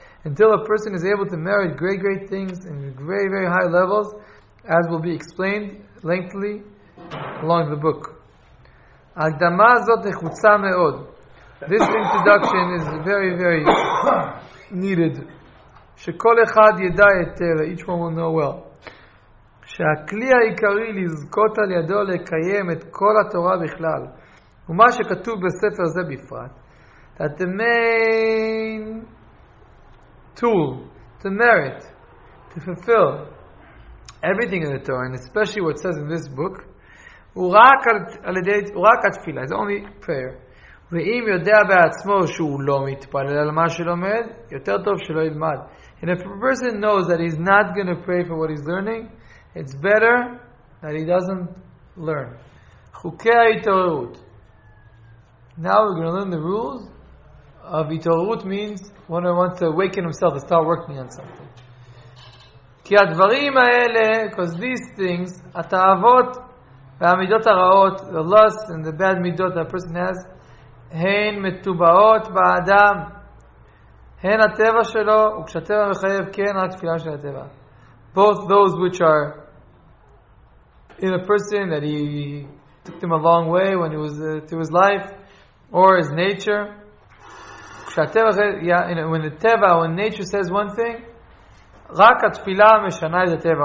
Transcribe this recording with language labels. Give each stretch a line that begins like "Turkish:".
English: Until a person is able to merit great, great things in very, very high levels, as will be explained lengthily along the book.
Hebrew: Hakdama zot nechutza me'od.
English: This introduction is very, very needed.
Hebrew: שכל אחד ידע יותר,
English: each one will know well.
Hebrew: שהכלי העיקרי לזכות על ידו לקיים את כל התורה בכלל, ומה שכתוב בספר זה בפרט.
English: That the main tool to merit, to fulfill everything in the Torah, and especially what says in this book,
Hebrew: הוא רק התפילה,
English: it's only prayer.
Hebrew: ואם יודע בעצמו שהוא לא מתפלל על מה שלומד, יותר טוב שלא ילמד.
English: And if a person knows that he's not going to pray for what he's learning, it's better that he doesn't learn.
Hebrew: חוקי ההתעוררות.
English: Now we're going to learn the rules of התעוררות, means when he wants to awaken himself and start working on something.
Hebrew: כי הדברים האלה,
English: because these things,
Hebrew: התאוות והמידות הרעות,
English: the lust and the bad midot that a person has,
Hebrew: הן מטובעות באדם, הן הטבע שלו, וכשהטבע מחייב כן, רק תפילה של הטבע.
English: Both those which are in a person that he took them a long way when he was through his life, or his nature. כשהטבע, when the טבע, when nature says one thing,
Hebrew: רק התפילה משנה את הטבע.